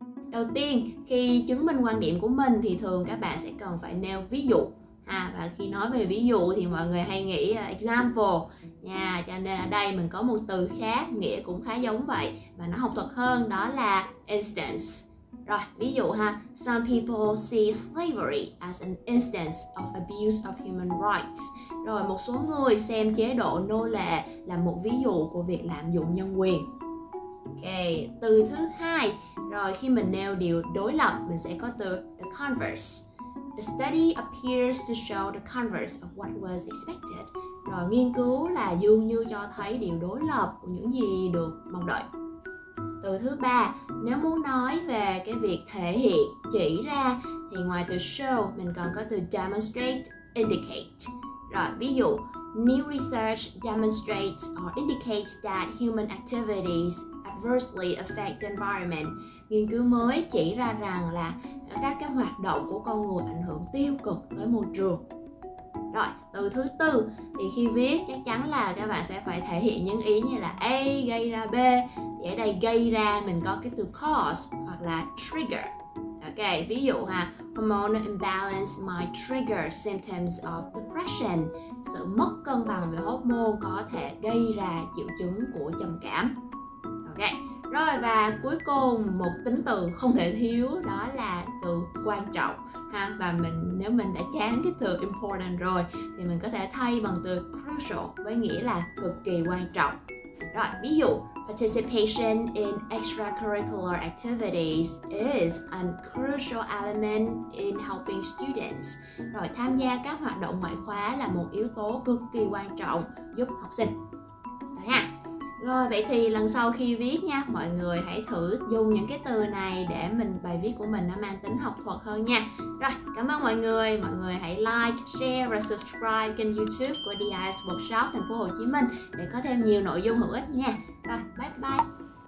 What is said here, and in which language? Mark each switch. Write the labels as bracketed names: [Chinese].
[Vietnamese] Đầu tiên, khi chứng minh quan điểm của mình thì thường các bạn sẽ cần phải nêu ví dụ. Và khi nói về ví dụ thì mọi người hay nghĩ example nha, cho nên ở đây mình có một từ khác nghĩa cũng khá giống vậy và nó học thuật hơn, đó là instance. Rồi, ví dụ ha, [English] some people see slavery as an instance of abuse of human rights. [Vietnamese] Rồi, một số người xem chế độ nô lệ là một ví dụ của việc lạm dụng nhân quyền. Ok, từ thứ hai, rồi khi mình nêu điều đối lập mình sẽ có từ the converse. [English] The study appears to show the converse of what was expected. [Vietnamese] Rồi nghiên cứu là dường như cho thấy điều đối lập của những gì được mong đợi. Từ thứ ba, nếu muốn nói về cái việc thể hiện, chỉ ra thì ngoài từ show, mình còn có từ demonstrate, indicate. Rồi ví dụ, [English] new research demonstrates or indicates that human activities adversely affect the environment. [Vietnamese] Nghiên cứu mới chỉ ra rằng là các cái hoạt động của con người ảnh hưởng tiêu cực tới môi trường. Rồi, từ thứ tư thì khi viết chắc chắn là các bạn sẽ phải thể hiện những ý như là A gây ra B. Thì ở đây gây ra mình có cái từ cause hoặc là trigger. [English] Ok, [Vietnamese] ví dụ ha, [English] hormonal imbalance might trigger symptoms of depression. [Vietnamese] Sự mất cân bằng về hormone có thể gây ra triệu chứng của trầm cảm. Ok, rồi và cuối cùng một tính từ không thể thiếu, đó là từ quan trọng ha. Và mình nếu mình đã chán cái từ important rồi thì mình có thể thay bằng từ crucial với nghĩa là cực kỳ quan trọng. Rồi ví dụ, [English] participation in extracurricular activities is a crucial element in helping students. [Vietnamese] Rồi tham gia các hoạt động ngoại khóa là một yếu tố cực kỳ quan trọng giúp học sinh. Đấy ha. Rồi vậy thì lần sau khi viết nha, mọi người hãy thử dùng những cái từ này để mình bài viết của mình nó mang tính học thuật hơn nha. Rồi, cảm ơn mọi người. Mọi người hãy like, share và subscribe kênh YouTube của DIS Workshop Thành phố Hồ Chí Minh để có thêm nhiều nội dung hữu ích nha. Rồi, bye bye.